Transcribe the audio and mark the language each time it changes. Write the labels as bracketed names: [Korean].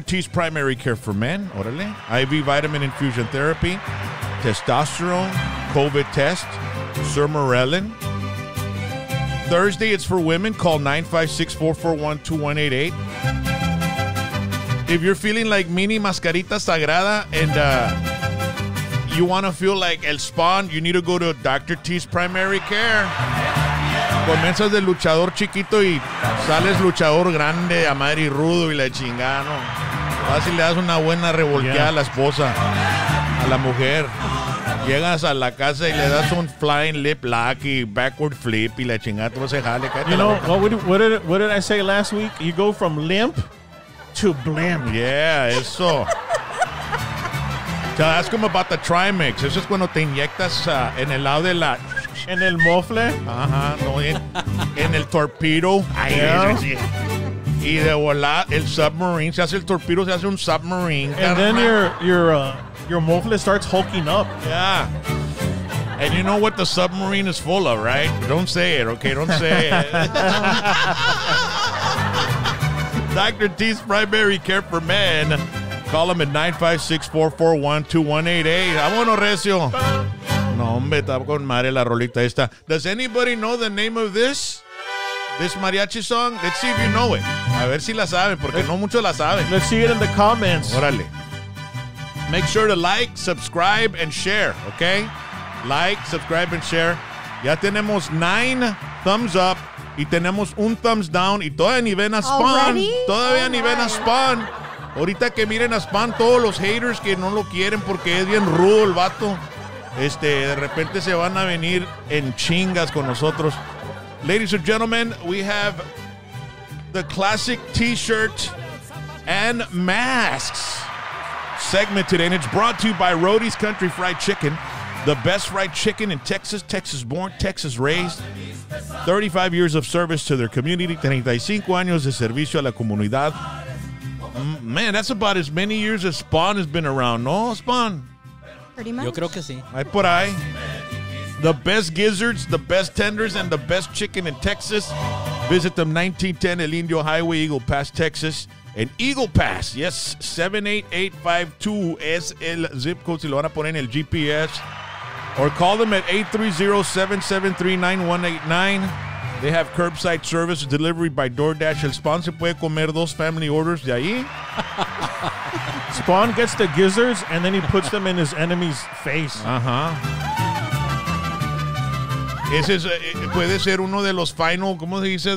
[English] T's Primary Care for Men. Órale. IV vitamin infusion therapy, testosterone, COVID test, sermorelin. Thursday, it's for women. Call 956-441-2188. If you're feeling like mini mascarita sagrada and you want to feel like el spawn, you need to go to Dr. T's Primary Care. [Spanish] Comienzas de luchador chiquito y sales luchador grande, a madre y rudo y la chingada, ¿no? Fácil, le das una buena revolteada a la esposa, a la mujer. Llegas a la casa y le das un [English] flying lip lock [Spanish] y [English] backward flip [Spanish] y la chingada, todo se jale. [English] You know, what did I say last week? You go from limp to blimp. Yeah, eso. So ask them about the Trimix. [Spanish] Eso es cuando te inyectas en el lado de la... En el mofle. Ajá, no, en el torpedo. Ahí es. Y de volar el submarine. Se hace el torpedo, se hace un submarine. [English] And carna. Then your mofle starts hulking up. Yeah. And you know what the submarine is full of, right? Don't say it, okay? Don't say it. Dr. T's Primary Care for Men. Call him at 956-441-2188. [Spanish] Vámonos, Recio. No, hombre, está con madre la rolita esta. [English] Does anybody know the name of this? This mariachi song? Let's see if you know it. [Spanish] A ver si la saben, [English] porque no muchos la saben. Let's see it in the comments. [Spanish] Órale. [English] Make sure to like, subscribe, and share, okay? Like, subscribe, and share. [Spanish] Ya tenemos 9 thumbs up, y tenemos un thumbs down, y todavía ni ven a Spawn. [English] Already? [Spanish] Todavía ni ven a Spawn. Ahorita que miren a Spawn, todos los haters que no lo quieren porque es bien rudo el vato. De repente se van a venir en chingas con nosotros. [English] Ladies and gentlemen, we have the classic t-shirt and masks segment today. And it's brought to you by Rhodey's Country Fried Chicken. The best fried chicken in Texas. Texas born, Texas raised. 35 years of service to their community. [Spanish] 35 años de servicio a la comunidad. [English] Man, that's about as many years as Spawn has been around, no, Spawn? [Spanish] Yo creo que sí. Ay, por ahí. [English] The best gizzards, the best tenders, and the best chicken in Texas. Visit them 1910 El Indio Highway, Eagle Pass, Texas. And Eagle Pass, yes, [Spanish] 78852 es el zip code, si lo van a poner en el GPS. [English] Or call them at 830-773-9189. They have curbside service, delivery by DoorDash. [Spanish] El Spawn se puede comer 2 family orders de ahí. [English] Spawn gets the gizzards, and then he puts them in his enemy's face. Uh-huh. [Spanish] Ese es, puede ser uno de los final, ¿cómo se dice?